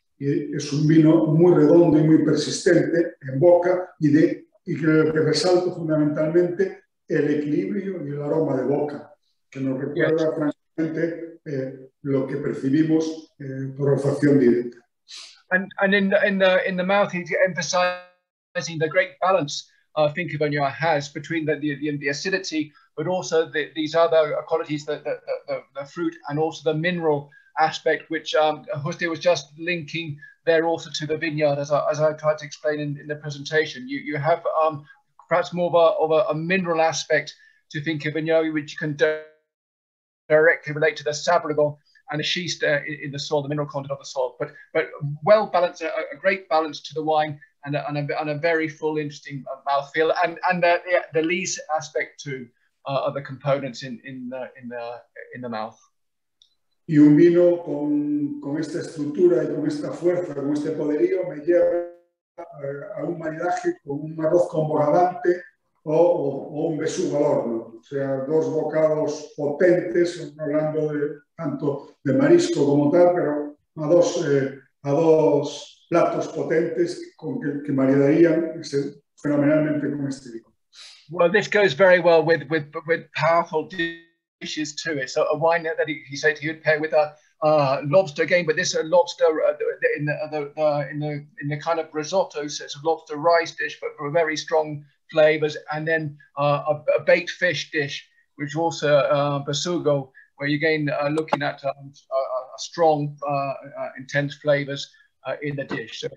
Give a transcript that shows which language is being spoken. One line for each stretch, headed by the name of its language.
Spanish: Y es un vino muy redondo y muy persistente en boca y que resalto fundamentalmente el equilibrio y el aroma de boca, que nos recuerda sí, francamente lo que percibimos por olfacción directa.
English: And in the mouth, he's emphasizing the great balance Finca Viñoa has between the acidity, but also these other qualities, the fruit and also the mineral aspect, which Juste was just linking there also to the vineyard, as I tried to explain in the presentation. You have perhaps more of a mineral aspect to Finca Viñoa, which you can directly relate to the sabrugal and the schist in the soil, the mineral content of the soil, but well balanced, a great balance to the wine and a very full, interesting mouthfeel and the lees aspect too, of the components in the mouth.
Spanish: Y un vino con esta estructura y con esta fuerza, con este poderío, me lleva a un maridaje con un arroz con bogavante o un besugo al horno. O sea, dos bocados potentes, hablando de tanto de marisco como tal, pero a dos platos potentes con que maridarían fenomenalmente con este vino.
English: Well, this goes very well with powerful dishes too. It's a wine that he said he would pair with a lobster game, but this lobster in the kind of risotto, so it's a lobster rice dish, but for a very strong flavors, and then a baked fish dish, which also basugo, where you're again looking at a strong, intense flavors in the dish.